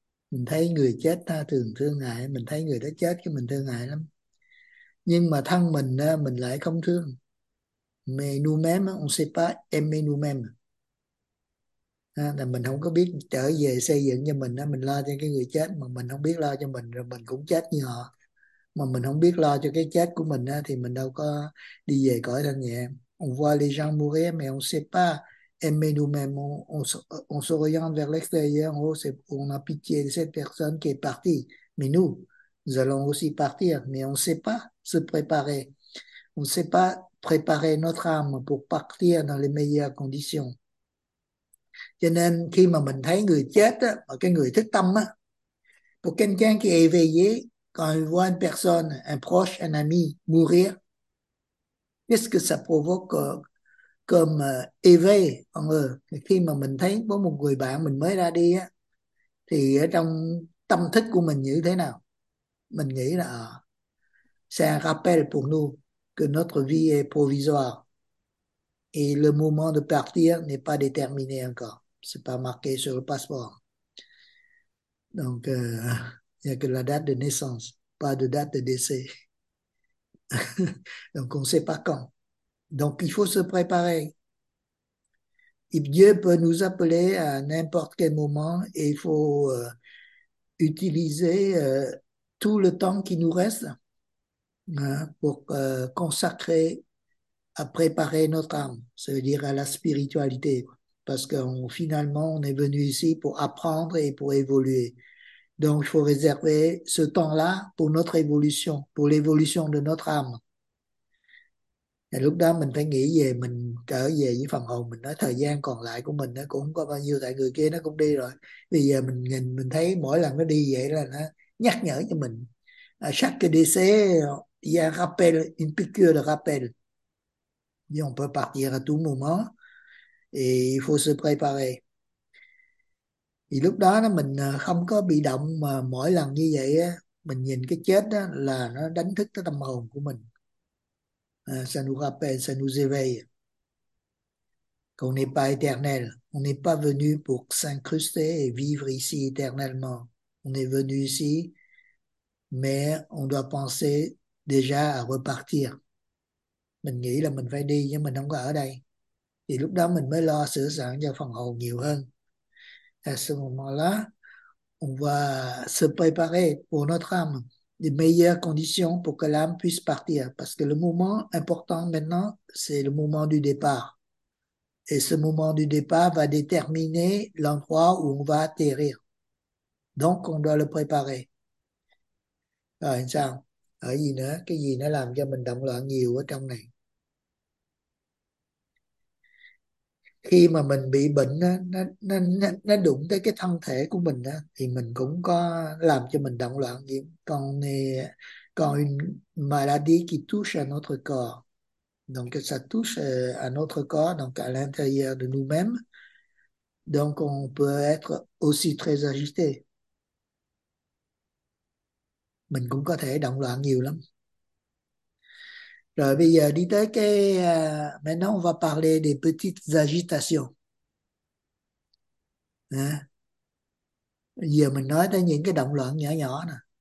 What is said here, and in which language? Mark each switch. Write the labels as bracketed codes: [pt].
[vi] Mình thấy người chết ta thường thương hại, mình thấy người đó chết cho mình thương hại lắm. Nhưng mà thân mình lại không thương. [fr] Mais nous-mêmes, on sait pas aimer nous-mêmes. [vi] À, là mình không có biết trở về xây dựng cho mình đó, mình lo cho cái người chết mà mình không biết lo cho mình rồi mình cũng chết như họ. Mà mình không biết lo cho cái chết của mình đó, thì mình đâu có đi về cõi thanh nhẹ. [fr] On voit les gens mourir mais on sait pas aimer nous-mêmes, on se regarde vers l'extérieur, on a pitié de cette personne qui est partie. Mais nous allons aussi partir, mais on ne sait pas se préparer. On ne sait pas préparer notre âme pour partir dans les meilleures conditions. [vi] Cho nên khi mà mình thấy người chết á, mà cái người thức tâm á, [fr] pour quelqu'un qui est éveillé, quand il voit une personne, un proche, un ami mourir, qu'est-ce que ça provoque comme éveil en eux? [vi] Khi mà mình thấy có một người bạn mình mới ra đi á, thì ở trong tâm thức của mình như thế nào? Mình nghĩ là [fr] c'est un rappel pour nous que notre vie est provisoire. Et le moment de partir n'est pas déterminé encore. C'est pas marqué sur le passeport. Donc, il n'y a que la date de naissance, pas de date de décès. Donc, on ne sait pas quand. Donc, il faut se préparer. Et Dieu peut nous appeler à n'importe quel moment et il faut utiliser tout le temps qui nous reste hein, pour consacrer à préparer notre âme, ça veut dire à la spiritualité, parce que finalement, on est venu ici pour apprendre et pour évoluer. Donc, il faut réserver ce temps-là pour notre évolution, pour l'évolution de notre âme. [vi] Et lúc đó mình phải nghĩ về mình trở về với phần hồn mình, nói thời gian còn lại của mình nó cũng không có bao nhiêu, tại người kia nó cũng đi rồi. Bây giờ mình nhìn mình thấy mỗi lần nó đi vậy là nó nhắc nhở cho mình. [fr] À, chaque décès, il y a un rappel, une piqûre de rappel. Et on peut partir à tout moment et il faut se préparer. [vi] Thì lúc đó mình không có bị động mà mỗi lần như vậy á, mình nhìn cái chết đó là nó đánh thức cái tâm hồn của mình. [fr] Ça nous rappelle, ça nous éveille qu'on n'est pas éternel. On n'est pas venu pour s'incruster et vivre ici éternellement. On est venu ici, mais on doit penser déjà à repartir. [vi] Mình nghĩ là mình phải đi nhưng mình không có ở đây. Thì lúc đó mình mới lo sửa soạn cho phần hồn nhiều hơn. [fr] À, ce moment-là, on va se préparer pour notre âme. Des meilleures conditions pour que l'âme puisse partir. Parce que le moment important maintenant, c'est le moment du départ. Et ce moment du départ va déterminer l'endroit où on va atterrir. Donc, on doit le préparer. [vi] Rồi, sao? Ở gì nữa? Cái gì nó làm cho mình động loạn nhiều ở trong này? Khi mà mình bị bệnh, nó đụng tới cái thân thể của mình đó, thì mình cũng có làm cho mình động loạn gì. Còn còn [fr] une maladie qui touche à notre corps, donc ça touche à notre corps, donc à l'intérieur de nous-mêmes, Donc, on peut être aussi très agité. [vi] Mình cũng có thể động loạn nhiều lắm. Rồi bây giờ đi tới cái [fr] maintenant on va parler des petites agitations. [vi] À. Giờ mình nói tới những cái động loạn nhỏ nhỏ nè.